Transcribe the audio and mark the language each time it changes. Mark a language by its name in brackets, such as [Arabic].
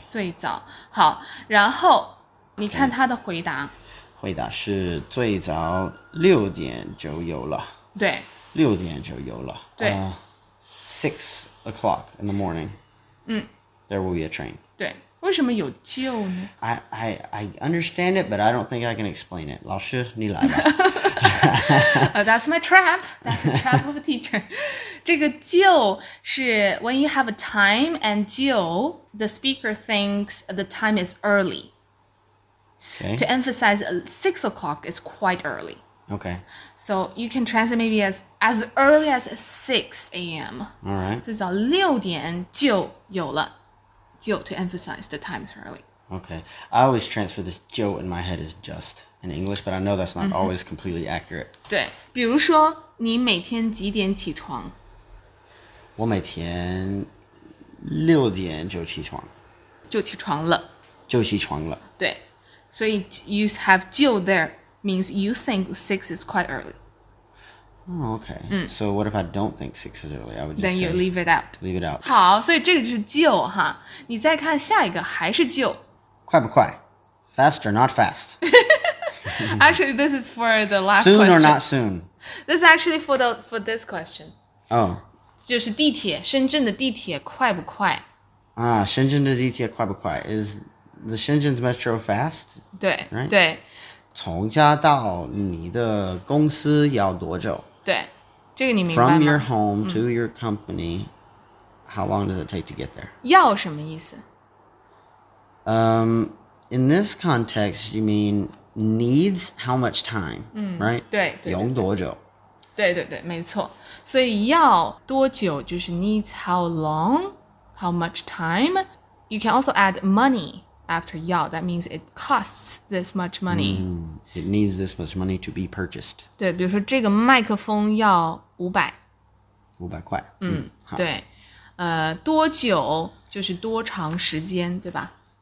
[Chinese] 最早好，然后你看他的回答。 [English] Okay. [Chinese] 回答是最早六点就有了。对。六点就有了。对。 [English] Six o'clock in the morning, there will be a train. [Chinese] 对，为什么有就呢 [English] I understand it, but I don't think I can explain it. [Chinese] 老师，你来吧。 [English] That's my trap. That's the trap of a teacher. [Chinese] 这个就是 [English] when you have a time and 就 the speaker thinks the time is early. Okay. To emphasize 6 o'clock is quite early. Okay. So you can translate maybe as early as 6 a.m. All right. [Chinese] 至少六点就有了。就 [English] to emphasize the time is early. Okay. I always transfer this 就 in my head as just in English, but I know that's not always completely accurate. [Chinese] 对。比如说你每天几点起床? 我每天六点就起床。就起床了。就起床了。对。所以 [English] you have 就 there.Means you think 6 is quite early. Oh, okay. So what if I don't think six is early? I would just then say, you leave it out. Leave it out. [Chinese] 好，所以这个就是旧哈。你再看下一个还是旧。快不快 [English] ？Fast or not fast? Actually, this is for the last question. Soon or not soon? This is actually for this question. Oh. [Chinese] 就是地铁，深圳的地铁快不快？啊，深圳的地铁快不快 ？ [English] Is the Shenzhen's metro fast? [Chinese] 对， [English] right? [Chinese] 对。从家到你的公司要多久？对，这个你明白吗 [English] ？From your home to your company, how long does it take to get there? [Chinese] 要什么意思？ [English] In this context, you mean needs how much time, right? [Chinese] 对， 对， 对， 对，用多久？对对对，没错。所以要多久就是 [English] needs how long, how much time. You can also add money. After 要 that means it costs this much money. It needs this much money to be purchased. [Chinese] 对，比如说这个麦克风要500块。对，多久就是多长时间，对吧？